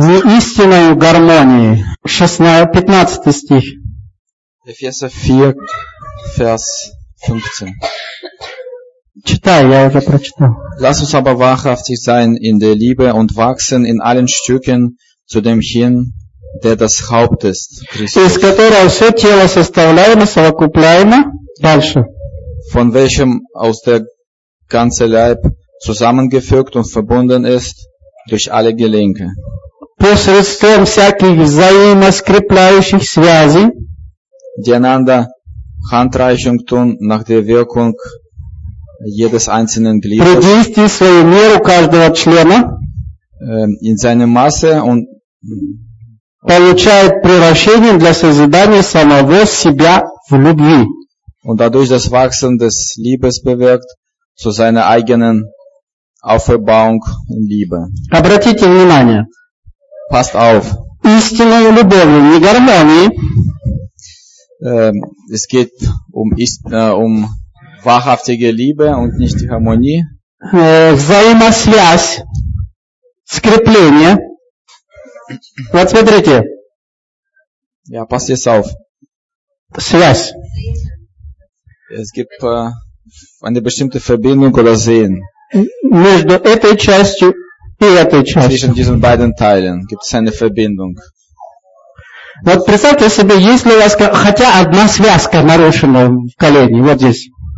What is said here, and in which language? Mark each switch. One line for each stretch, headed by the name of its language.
Russian: В истинную гармонии. 15. стих.
German: Эфеса 4, Vers 15.
Russian: Читай, я уже прочитал.
German: Lass uns aber wahrhaftig sein in der Liebe und wachsen in allen Stücken zu dem hin, der das Haupt ist, Christus.
Russian: Из которого все тело составляемо, совокупляемо. Дальше.
German: Von welchem aus der ganze Leib zusammengefügt und verbunden ist durch alle Gelenke.
Russian: Посредством всяких взаимоскрепляющих связей,
German: die einander Handreichung tun nach der Wirkung jedes einzelnen Gliedes,
Russian: члена,
German: in seine Masse und
Russian: получает превращение для созидания самого себя в любви.
German: Und dadurch das Wachsen des Liebes bewirkt zu seiner eigenen Auferbauung in Liebe.
Russian: Обратите внимание.
German: Passt auf.
Russian: Истинную любовь, не гармонии.
German: Es geht um wahrhaftige Liebe und nicht die Harmonie.
Russian: Взаимосвязь, скрепление. Вот смотрите.
German: Ja, passt jetzt auf.
Russian: Связь.
German: Es gibt eine bestimmte Verbindung oder Sehen.
Russian: Между этой частью и этой частью.
German: Zwischen diesen beiden Teilen gibt es eine Verbindung.
Russian: Вот представьте себе, если у вас хотя одна связка нарушена в колене, вот здесь.